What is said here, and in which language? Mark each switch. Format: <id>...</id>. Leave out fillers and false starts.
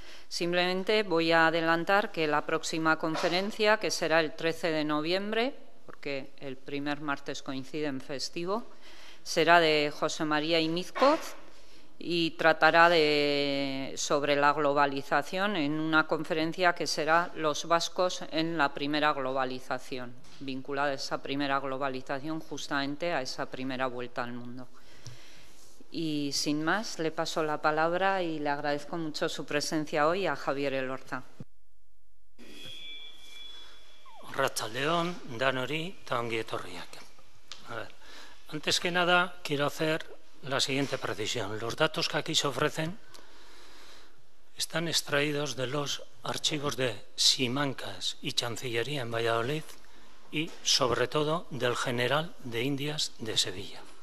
<es>Simplemente voy a adelantar que la próxima conferencia, que será el 13 de noviembre, porque el primer martes coincide en festivo, será de José María Imízcoz y tratará sobre la globalización en una conferencia que será Los vascos en la primera globalización, vinculada a esa primera globalización, justamente a esa primera vuelta al mundo. Y sin más, le paso la palabra y le agradezco mucho su presencia hoy a Javier Elorza.</es> <eu>Arratsaldeon, danori, eta ongi etorriak.</eu> <es>A ver, antes que nada, quiero hacer la siguiente precisión. Los datos que aquí se ofrecen están extraídos de los archivos de Simancas y Chancillería en Valladolid y, sobre todo, del General de Indias de Sevilla.</es>